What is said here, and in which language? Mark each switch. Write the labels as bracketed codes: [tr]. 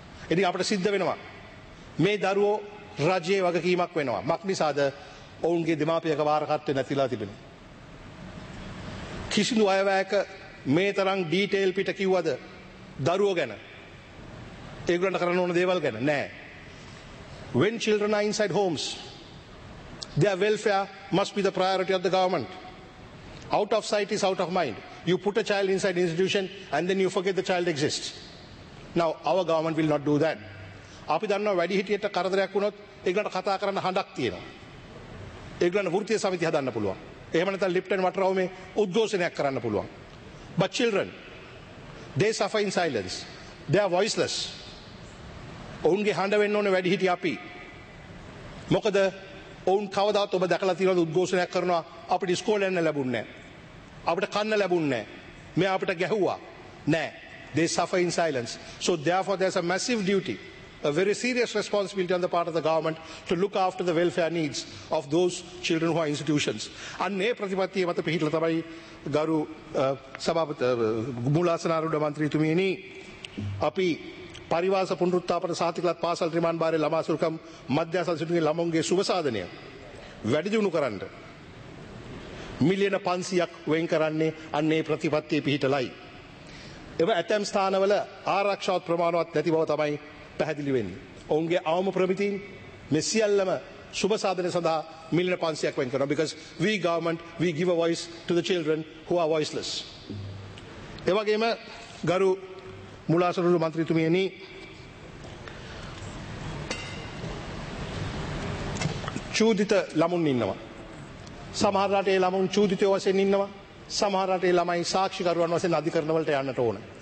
[si] ඉතින් අපට සිද්ධ වෙනවා මේ දරුවෝ රජයේ වගකීමක් වෙනවා. මක් නිසාද? ඔවුන්ගේ දෙමාපියක වාරකත්වය නැතිලා තිබෙන. කිසිදු අයවැයක මේ තරම් ඩීටේල් පිට කිව්වද දරුවෝ ගැන, ඒගොල්ලන්ට කරන්න ඕන දේවල් ගැන? නෑ. [en] When children are inside homes, their welfare must be the priority of the government. Out of sight is out of mind. You put a child inside institution and then you forget the child exists. Now our government will not do that. [si] අපි දන්නවා වැඩිහිටියන්ට කරදරයක් වුණොත් ඒගොල්ලන්ට කතා කරන්න හඬක් තියෙනවා. ඒගොල්ලන්ට වෘත්තීය සමිතිය හදන්න පුළුවන්. එහෙම නැත්නම් ලිප්ටන් වටරවුමේ උද්ඝෝෂණයක් කරන්න පුළුවන්. [en] But children, they suffer in silence. They are voiceless. [si] ඔවුන්ගේ හඬ වෙන්න ඕනේ වැඩිහිටි අපි. මොකද ඔවුන් කවදාවත් ඔබ දැකලා තියෙනවද උද්ඝෝෂණයක් කරනවා? අපිට ඉස්කෝලේ යන්න ලැබුණේ නැහැ. අපිට කන්න ලැබුණේ නැහැ. මෙයා අපිට ගැහුවා. නැහැ. [en] They suffer in silence. So therefore there's a massive duty, a very serious responsibility on the part of the government to look after the welfare needs of those children who are institutions. [si] And ඒ ප්‍රතිපත්තිය මත පිහිටලා තමයි ගරු සභාපති මූලාසන ආරෝඪ මන්ත්‍රීතුමියනි අපි පරිවාස පුනරුත්ථාපන සාතිකලත් පාසල් remand භාරයේ ළමා සුරකම් මධ්‍යස්ථාන සිටුගේ ළමුන්ගේ සුභ සාධනය වැඩි දියුණු කරන්න මිලියන 500ක් වෙන් කරන්නේ අන්නේ ප්‍රතිපත්තියේ පිහිටලයි. ඒව ඇතැම් ස්ථානවල ආරක්ෂාවත් ප්‍රමාණවත් නැති බව තමයි පැහැදිලි වෙන්නේ. ඔවුන්ගේ අවම ප්‍රමිතීන් මේ සියල්ලම සුභ සාධනය සඳහා මිලියන 500ක් වෙන් කරනවා. [en] Because we government, we give a voice to the children who are voiceless. [si] ඒ වගේම ගරු මුලාසරුළු මන්ත්‍රීතුමියනි චූදිත ළමුන් ඉන්නවා. සමහර රටේ ළමුන් චූදිතයෝ වශයෙන් ඉන්නවා. සමහර රටේ ළමයි සාක්ෂිකරුවන් වශයෙන් අධිකරණවලට යන්නට ඕන.